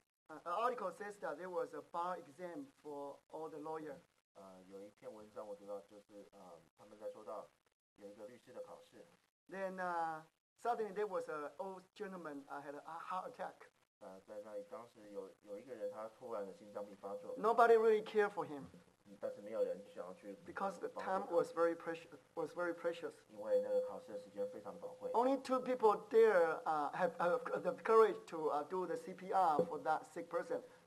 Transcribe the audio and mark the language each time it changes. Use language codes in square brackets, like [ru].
[en] An article says that there was a bar exam for all the lawyer. [zh] 有一篇文章我读到，就是他们在说到有一个律师的考试。 [en] Then suddenly there was an old gentleman. I had a heart attack. [zh] 在那里当时有一个人他突然的心脏病发作。 [en] Nobody really cared for him. [zh] 但是没有人想要去。 [en] Because the time was very precious. [zh] 因为那个考试的时间非常宝贵。 [en] Only two people there have the courage to do the CPR for that sick person.